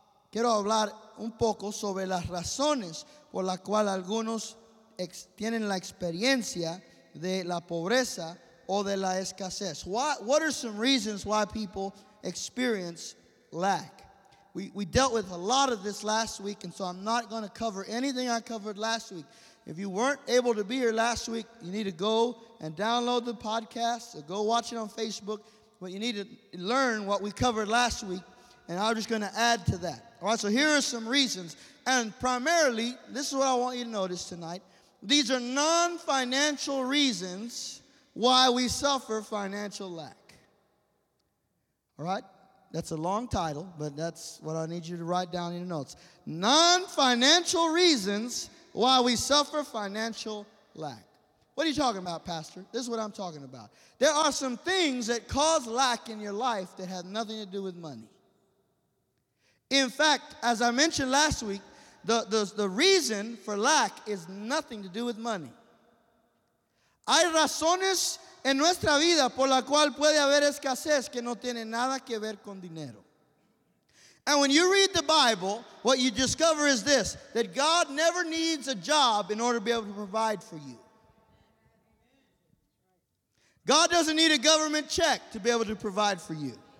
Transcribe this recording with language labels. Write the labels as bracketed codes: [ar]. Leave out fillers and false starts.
[es] Quiero hablar un poco sobre las razones por las cuales algunos tienen la experiencia de la pobreza o de la escasez. [en] What are some reasons why people experience lack? We dealt with a lot of this last week, and so I'm not going to cover anything I covered last week. If you weren't able to be here last week, you need to go and download the podcast or go watch it on Facebook, but you need to learn what we covered last week, and I'm just going to add to that. All right, so here are some reasons, and primarily, this is what I want you to notice tonight. These are non-financial reasons why we suffer financial lack. All right? That's a long title, but that's what I need you to write down in your notes. Non-financial reasons why we suffer financial lack. What are you talking about, Pastor? This is what I'm talking about. There are some things that cause lack in your life that have nothing to do with money. In fact, as I mentioned last week, The reason for lack is nothing to do with money. [es] Hay razones en nuestra vida por la cual puede haber escasez que no tiene nada que ver con dinero. [en] And when you read the Bible, what you discover is this, that God never needs a job in order to be able to provide for you. God doesn't need a government check to be able to provide for you.